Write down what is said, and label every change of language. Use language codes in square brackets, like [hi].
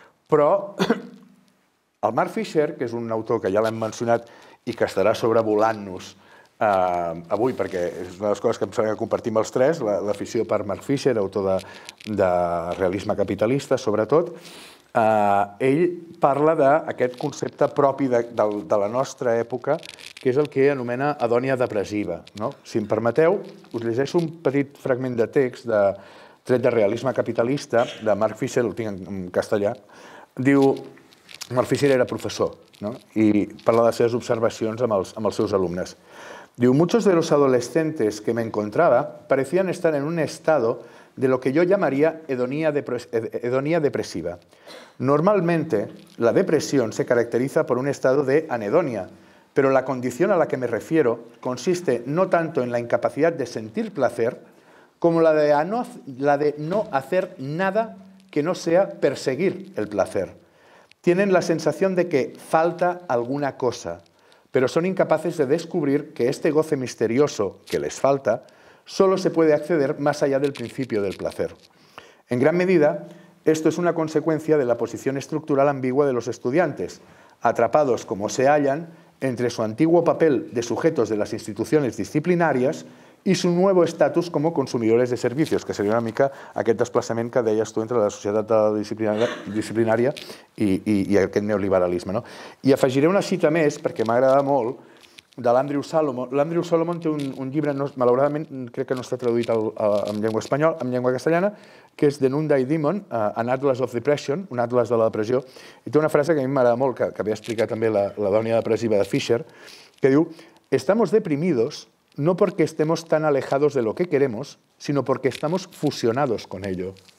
[ca] Però el Mark Fisher, que és un autor que ja l'hem mencionat i que estarà sobrevolant-nos avui, perquè és una de les coses que em sembla que compartim els tres, l'afició per Mark Fisher, autor de realisme capitalista, sobretot, ell parla d'aquest concepte propi de la nostra època, que és el que anomena anhedonia depressiva. No? Si em permeteu, us llegeixo un petit fragment de text de tret de realisme capitalista, de Mark Fisher, el tinc en castellà. Diu, Mark Fisher era professor, no? I parla de les seves observacions amb els seus alumnes. [es] Digo, muchos de los adolescentes que me encontraba parecían estar en un estado de lo que yo llamaría hedonía depresiva. Normalmente, la depresión se caracteriza por un estado de anhedonia, pero la condición a la que me refiero consiste no tanto en la incapacidad de sentir placer como la de no hacer nada que no sea perseguir el placer. Tienen la sensación de que falta alguna cosa, pero son incapaces de descubrir que este goce misterioso que les falta solo se puede acceder más allá del principio del placer. En gran medida, esto es una consecuencia de la posición estructural ambigua de los estudiantes, atrapados como se hallan entre su antiguo papel de sujetos de las instituciones disciplinarias y su nuevo estatus como consumidores de servicios, [ca] que sería una mica aquest desplaçament que deies tu entre la societat disciplinària i aquest neoliberalisme. [es] No? [ca] I afegiré una cita més, perquè m'agrada molt, de l'Andrew Solomon. L'Andrew Solomon té un llibre, no, malauradament, crec que no està traduït en llengua espanyola, en llengua castellana, que és The Noonday Demon, An Atlas of Depression, un atlas de la depressió. I té una frase que a mi m'agrada molt, que havia explicat també la dònia depressiva de Fisher, que diu, [es] estamos deprimidos no porque estemos tan alejados de lo que queremos, sino porque estamos fusionados con ello.